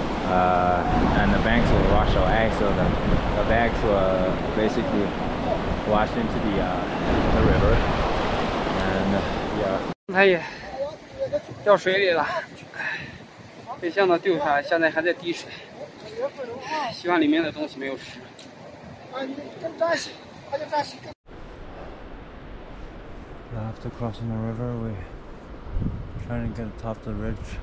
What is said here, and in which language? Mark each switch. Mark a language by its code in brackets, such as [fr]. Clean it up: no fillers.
[en] and the banks were washed away, so the bags were basically washed into the river. And yeah. [zh] 哎呀，掉水里了，被向导救出来，现在还在滴水。希望里面的东西没有湿。 [en] After crossing the river, we're trying to get atop the ridge.